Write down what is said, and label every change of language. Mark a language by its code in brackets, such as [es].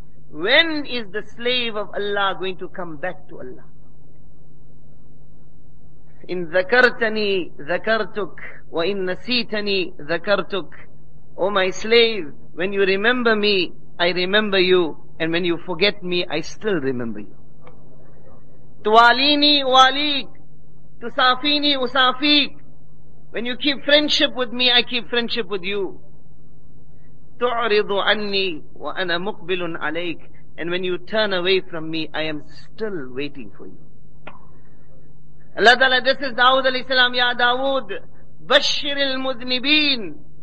[en] When is the slave of Allah going to come back to Allah? [ar] In ذَكَرْتَنِي ذَكَرْتُكْ وَإِن نَسِيتَنِي ذَكَرْتُكْ. [en] O my slave, when you remember me, I remember you. And when you forget me, I still remember you. [ar] تُوَالِينِي وَالِيكْ تُسَافِينِي أُسَافِيكْ. [en] When you keep friendship with me, I keep friendship with you. [ar] تُعْرِضُ عَنِّي وَأَنَا مُقْبِلٌ عَلَيْكَ. [en] And when you turn away from me, I am still waiting for you. Allah Ta'ala, this is Dawood alayhi salam. [ar] Ya Dawood, bashiril mudnibin.